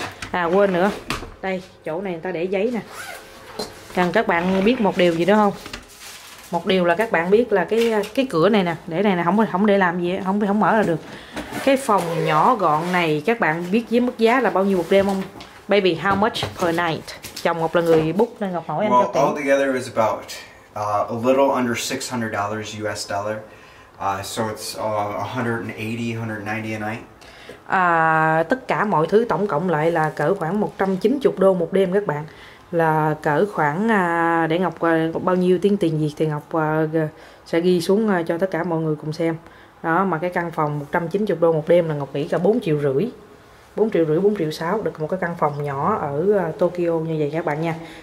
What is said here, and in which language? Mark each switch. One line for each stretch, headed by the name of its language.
Vietnamese: À quên nữa, đây chỗ này người ta để giấy nè. Cần các bạn biết một điều gì nữa không? Một điều là các bạn biết là cái cửa này nè, để này nè, không để làm gì, không mở là được. Cái phòng nhỏ gọn này các bạn biết với mức giá là bao nhiêu một đêm không?
English: Baby, how much per night?
Vietnamese: Chồng Ngọc là người book nên Ngọc hỏi anh cho tiền.
English: Well, all together is about a little under $600 US dollar. So it's 180, 190 a night.
Vietnamese: Tất cả mọi thứ tổng cộng lại là cỡ khoảng 190 đô một đêm các bạn. Là cỡ khoảng để Ngọc bao nhiêu tiếng tiền Việt thì Ngọc sẽ ghi xuống cho tất cả mọi người cùng xem. Đó, mà cái căn phòng 190 đô một đêm là Ngọc nghĩ là 4,5 triệu. 4,5 triệu, 4,6 triệu được một cái căn phòng nhỏ ở Tokyo như vậy các bạn nha.